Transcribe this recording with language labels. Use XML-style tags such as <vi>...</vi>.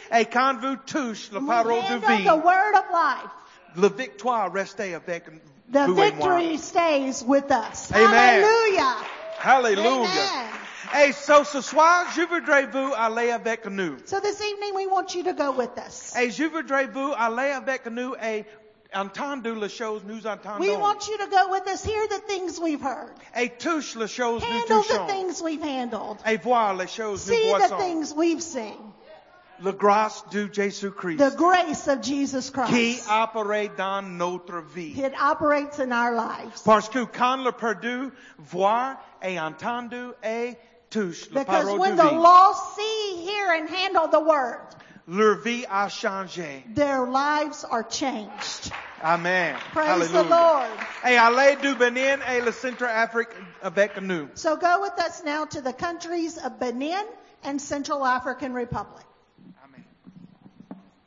<fr>Et quand vous touche la parole de vie.</fr> <en>We handle the word of life.</en> <fr>La victoire reste avec vous.</fr> <en>The victory stays with us. Amen. Hallelujah. Hallelujah. Amen.</en> <fr>Hey, so ce soir, je voudrais vous aller avec nous.</fr> <en>So this evening, we want you to go with us.</en> <fr>Hey, je voudrais vous aller avec nous et entendre les choses nous entendons.</fr> <en>We want you to go with us, hear the things we've heard.</en> <fr>Et touche les choses</fr> <en>handle</en> <fr>nous touchons.</fr> <en>Handle the things we've handled.</en> <fr>Et voir les choses</fr> <en>see</en> <fr>nous voyons.</fr> <en>See the things we've seen.</en> <fr>La grâce de Jésus Christ.</fr> <en>The grace of Jesus Christ.</en> <fr>Qui opère dans notre vie.</fr> <en>It operates in our lives.</en> <fr>Parce que quand le perdu voit et entendu et touche</fr> <en>because</en> <fr>la parole</fr> <en>when</en> <fr>de</fr> <en>the</en> <fr>vie.</fr> <en>Lost see, hear, and handle the word.</en> <fr>Leur vie a changé.</fr> <en>Their lives are changed. Amen. Praise Hallelujah. The Lord.</en> <fr>Hey, allez du Bénin et le Centre Afrique avec nous.</fr> <en>So go with us now to the countries of Benin and Central African Republic. Amen.</en>